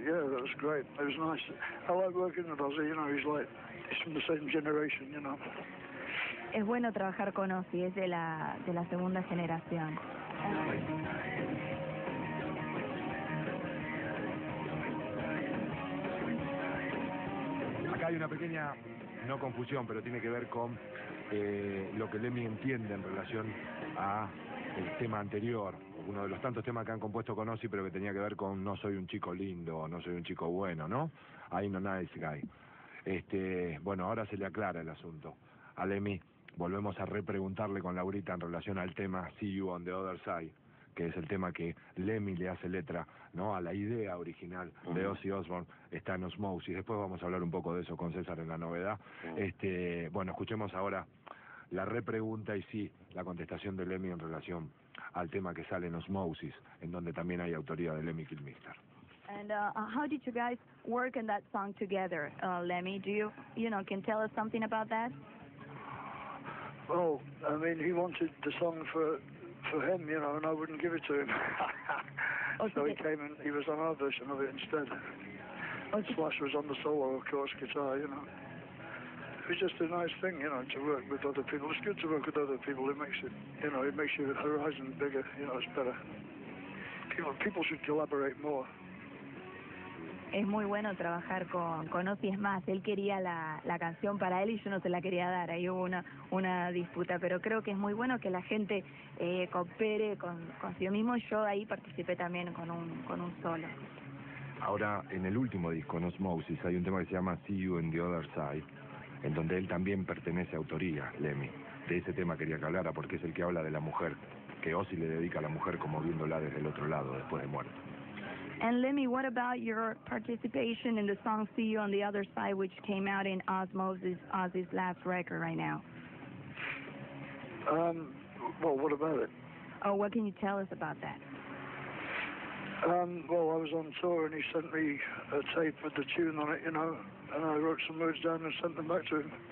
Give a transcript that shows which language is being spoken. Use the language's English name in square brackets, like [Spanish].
[English] It was nice. I like working with Ozzy, you know, he's from the same generation, you know. [Spanish] Es bueno trabajar con Ozzy, es de la segunda generación. Acá hay una pequeña... No confusión, pero tiene que ver con lo que Lemmy entiende en relación a el tema anterior. Uno de los tantos temas que han compuesto con Ozzy, pero que tenía que ver con no soy un chico lindo, no soy un chico bueno, ¿no? [English] I'm a nice guy. [Spanish] Bueno, ahora se le aclara el asunto a Lemmy. Volvemos a repreguntarle con Laurita en relación al tema See You on the Other Side, que es el tema que Lemmy le hace letra, ¿no?, a la idea original de Ozzy Osbourne, está en Osmosis. Y después vamos a hablar un poco de eso con César en la novedad. Bueno, escuchemos ahora la repregunta y sí, la contestación de Lemmy en relación al tema que sale en Osmosis, en donde también hay autoría de Lemmy Kilmister. [English] And how did you guys work on that song together, Lemmy? Do you, you know, can tell us something about that? Well, I mean, he wanted the song for him, you know, and I wouldn't give it to him. Okay. So he came and he was on our version of it instead. Okay. Slash was on the solo, of course, guitar, you know. It was just a nice thing, you know, to work with other people. It's good to work with other people. It makes it, you know, it makes your horizon bigger. You know, it's better. People should collaborate more. [Spanish] Es muy bueno trabajar con Ozzy. Es más, él quería la canción para él y yo no se la quería dar. Ahí hubo una disputa, pero creo que es muy bueno que la gente coopere con sí mismo. Yo ahí participé también con un solo. Ahora, en el último disco, en Osmosis, hay un tema que se llama See You on the Other Side, en donde él también pertenece a autoría, Lemmy. De ese tema quería que hablara, porque es el que habla de la mujer, que Ozzy le dedica a la mujer como viéndola desde el otro lado, después de muerto. [English] And Lemmy, what about your participation in the song See You on the Other Side, which came out in Osmosis, Ozzy's last record right now? Well, what about it? Oh, what can you tell us about that? Well, I was on tour and he sent me a tape with the tune on it, you know, and I wrote some words down and sent them back to him.